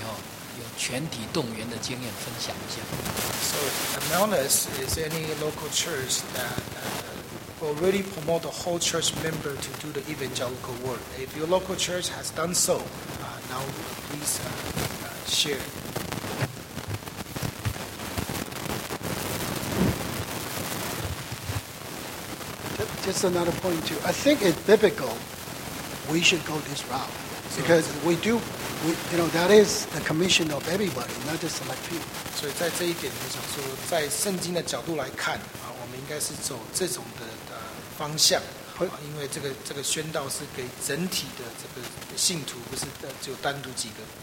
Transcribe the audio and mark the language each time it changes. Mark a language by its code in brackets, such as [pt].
[zh] ？请问我们当中有哪一个教会哦有全体动员的经验分享一下 [en] ？So, Amelis, is any local church that will really promote the whole church member to do the evangelical work? If your local church has done so. Now, please share. 就 just another point too. I think it's biblical. We should go this route because we do. We, you know, that is the commission of everybody, not just select few. [zh] 所以在这一点，我想说，在圣经的角度来看，啊，我们应该是走这种的方向。因为这个宣道是给整体的这个信徒，不是只有单独几个。